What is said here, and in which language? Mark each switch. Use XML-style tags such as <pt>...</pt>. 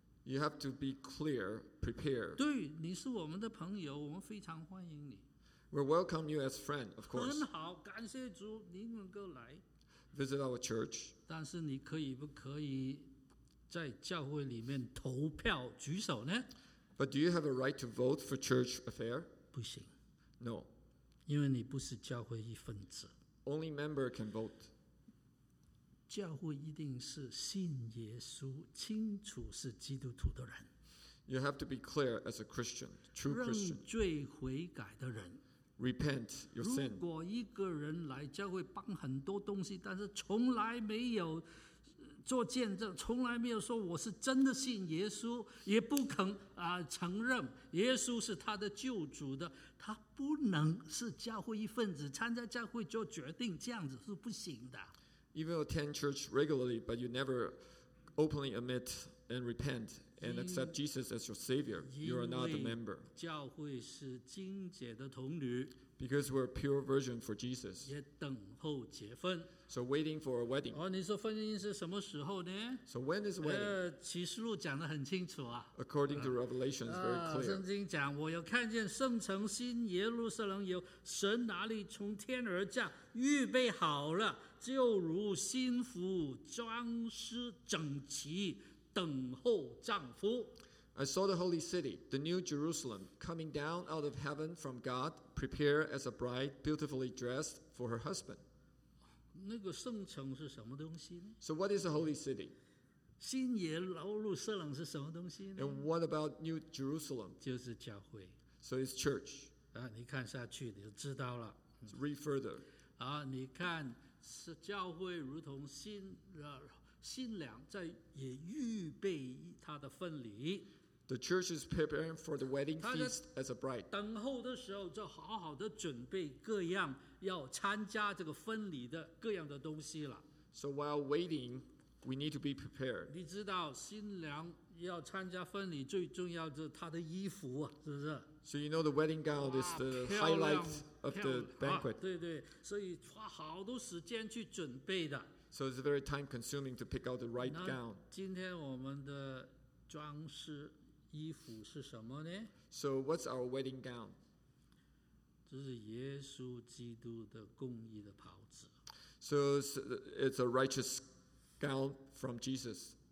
<en>You have to be clear, prepared.</en> <zh>对，你是我们的朋友，我们非常欢迎你。</zh> <en>We welcome you as friend, of course.</en> <zh>很好，感谢主，你能够来。</zh> <en>Visit our church.</en> <zh>但是你可以不可以在教会里面投票举手呢？</zh> <en>But do you have a right to vote for church affair?</en> <zh>不行。</zh> <en>No.</en> <zh>因为你不是教会一份子。</zh> <en>Only member can vote.</en> <zh>教会一定是信耶稣，清楚是基督徒的人。</zh> <en>You have to be clear as a Christian, true Christian.</en> <zh>让罪悔改的人。</zh> <en>Repent your sin.</en> <zh>如果一个人来教会帮很多东西，但是从来没有做见证，从来没有说我是真的信耶稣，也不肯承认耶稣是他的救主的，他不能是教会一份子，参加教会做决定，这样子是不行的。</zh> <en>Even attend church regularly, but you never openly admit and repent and accept Jesus as your Savior, you are not a member.</en> <zh>因为教会是精洁的童女。</zh> <en>Because we're a pure virgin for Jesus.</en> <zh>也等候结婚。</zh> <en>So waiting for a wedding.</en> <zh>哦，你说婚姻是什么时候呢？</zh> <en>So when is wedding?</en> <zh>启示录讲得很清楚啊。</zh> <en>According to Revelation, it's very clear.</en> <zh>圣经讲，我有看见圣城新耶路撒冷由神哪里从天而降，预备好了，就如新妇装饰整齐，等候丈夫。</zh> <en>I saw the holy city, the new Jerusalem, coming down out of heaven from God, prepared as a bride, beautifully dressed for her husband.</en> <zh>那个圣城是什么东西呢？</zh> <en>So what is the holy city?</en> <zh>新耶路撒冷是什么东西呢？</zh> <en>And what about new Jerusalem?</en> <zh>就是教会。</zh> <en>So it's church.</en> <zh>啊，你看下去你就知道了。</zh> <en>So read further.</en> <zh>啊，你看是教会如同新新娘在也预备她的婚礼。</zh> <en>The church is preparing for the wedding feast as a bride.</en> <zh>等候的时候就好好的准备各样要参加这个婚礼的各样的东西了。</zh> <en>So while waiting, we need to be prepared.</en> <zh>你知道新娘要参加婚礼最重要的是她的衣服啊，是不是？</zh> <en>So you know the wedding gown is the highlight of the banquet.</en> <zh>对对，所以花好多时间去准备的。</zh> <en>So it's very time consuming to pick out the right gown.</en> <zh>今天我们的装饰衣服是什么呢？</zh> <en>So what's our wedding gown?</en> <zh>这是耶稣基督的公义的袍子。</zh> <en>So it's a righteous gown from Jesus.</en>